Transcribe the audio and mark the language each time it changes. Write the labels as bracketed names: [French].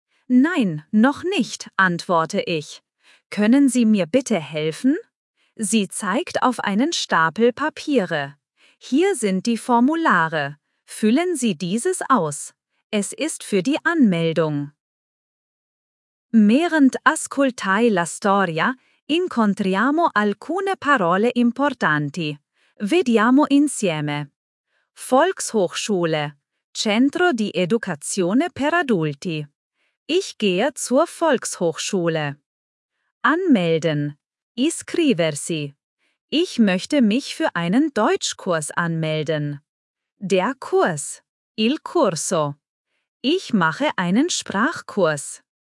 [German] Nein, noch nicht, antworte ich. Können Sie mir bitte helfen? Sie zeigt auf einen Stapel Papiere. Hier sind die Formulare. Füllen Sie dieses aus. Es ist für die Anmeldung. [Italian] Während ascoltai la storia, incontriamo alcune parole importanti. Vediamo insieme. Volkshochschule. Centro di educazione per adulti. [German] Ich gehe zur Volkshochschule. Anmelden. Iscriversi. Ich möchte mich für einen Deutschkurs anmelden. Der Kurs. [Italian] Il corso. [German] Ich mache einen Sprachkurs.